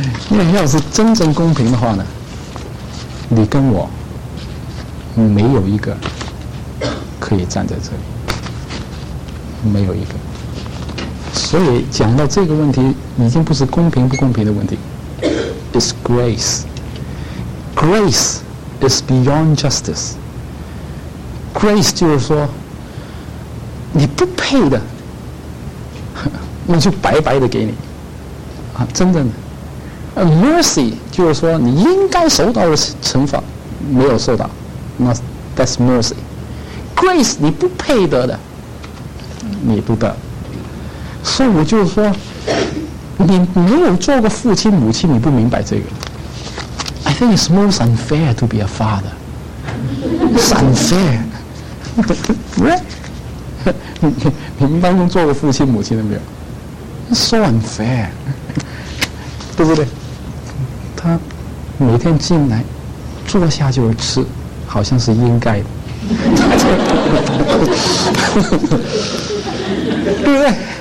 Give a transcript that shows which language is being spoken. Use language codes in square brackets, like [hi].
[zh] 因为要是真正公平的话呢，你跟我没有一个可以站在这里，没有一个。所以讲到这个问题已经不是公平不公平的问题。 [en] It's grace. Grace is beyond justice. [zh] Grace 就是说你不配的，那就白白的给你啊，真正的。 Mercy 就是说你应该受到的惩罚没有受到，那 [en] That's mercy. [zh] Grace, 你不配得的，你不得。所以我就是说，你没有做过父亲母亲，你不明白这个。 [en] I think it's most unfair to be a father. It's unfair. Right? [zh] 你们当中做过父亲母亲的没有？ [en] It's so unfair. [zh] 对不对？他每天进来，坐下就是吃，好像是应该的，对不对？